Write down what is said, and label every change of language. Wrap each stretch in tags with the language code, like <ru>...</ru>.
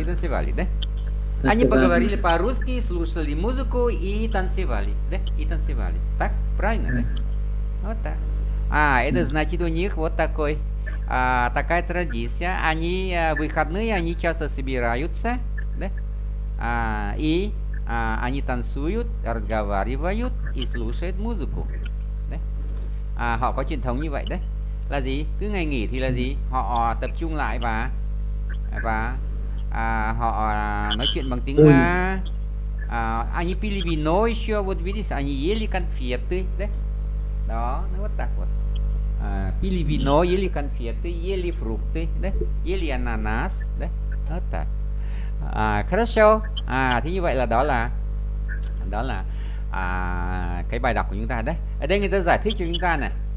<ru>и танцевали да они поговорили по-русски слушали музыку и танцевали да и танцевали так правильно да? Вот так. А, это значит у них вот такой такая традиция. Они выходные, они часто собираются, да? И они танцуют, разговаривают и слушают музыку. Да?</ru> <vi>Họ có truyền thống như vậy đấy. Là gì? Cứ ngày nghỉ thì là gì? Họ tập trung lại và họ nói chuyện bằng tiếng Hoa.</vi> <ru>Они пили вино еще, вот видишь, они ели конфеты, да? Да, ну вот так вот. Пили вино, ели конфеты, ели фрукты, да? Ели ананас, да? Вот так. Хорошо.</ru> <vi>Thế như vậy là đó là cái bài đọc của chúng ta đấy. Ở đây người ta giải thích cho chúng ta này.</vi>